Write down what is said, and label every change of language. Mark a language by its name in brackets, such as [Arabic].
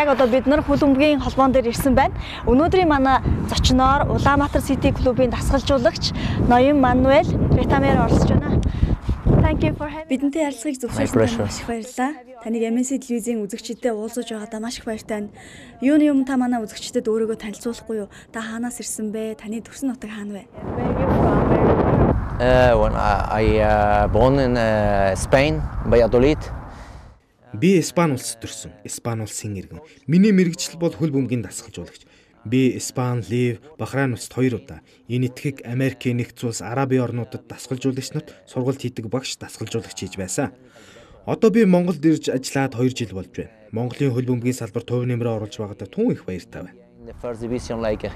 [Mongolian] Яг одоо бид нар хөлбөмбөгийн холбоон дээр ирсэн байна. Өнөөдрийн манай зочноор Улаанбаатар Сити клубын дасгалжуулагч Ноён Мануэл Ретамер оролцож байна. [English] Thank you for having me. [Mongolian] Бидэнтэй ярилцахыг зөвшөөрсөнд маш их баярлалаа. Таныг MNC телевизийн үзэгчдэд уулзаж байгаадаа маш их баяртай байна. Юуны өмнө та манай үзэгчдэд өөрийгөө танилцуулахгүй юу? Та хаанаас ирсэн бэ? Таны төрсөн нутаг хаана вэ? [English] When I born in Spain, Valladolid. [Mongolian] Би Испани улсад төрсөн. Испани улсын иргэн. Миний мэрэгчл бол хөл бөмбөгийн дасгалжуулагч. Би Испан, Лив, Бахрайн улсад 2 удаа. Энэ этгээд Америкийн нэгдсэн улс Араби орнуудад дасгалжуулагч нарт сургалт хийдэг багш дасгалжуулагч хийж байсан. Одоо би Монголд ирж ажиллаад 2 жил болж байна. Монголын хөл бөмбөгийн салбарт төв нэмрээ оруулж байгаадаа түн их баяртай байна.